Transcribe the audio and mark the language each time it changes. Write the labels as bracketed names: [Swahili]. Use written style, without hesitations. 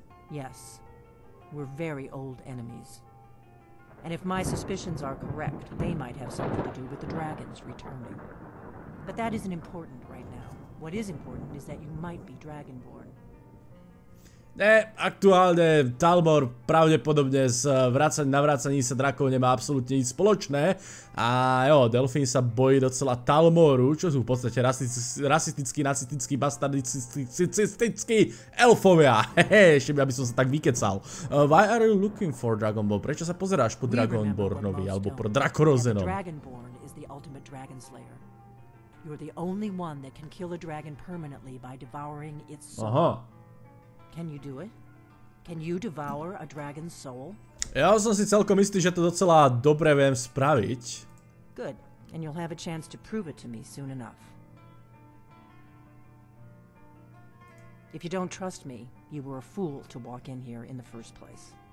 [English] Yes, we're very old enemies. And if my suspicions are correct, they might have something to do with the dragons returning. But that isn't important right now. What is important is that you might be Dragonborn. [Slovak] Ne, aktuálne Thalmor pravdepodobne s navrácaním sa drakov nemá absolútne nič spoločné. A jo, Delfín sa bojí docela Thalmoru, čo sú v podstate rasistický, nacistický, bastardistický elfovia. Hehe, ešte by som sa tak vykecal. [English] Why are you looking for Dragonborn? [Slovak] Prečo sa pozeráš po Dragonbornovi alebo po Drakorozenom? [English] Dragonborn is the ultimate dragon slayer. You're the only one that can kill a dragon permanently by devouring its soul. Aha. Can you do it? Can you devour a dragon's soul? [Slovak] Ja som si celkom istý, že to docela dobre viem spraviť. [English] Good. And you'll have a chance to prove it to me soon enough. If you don't trust me, you were a fool to walk in here in the first place.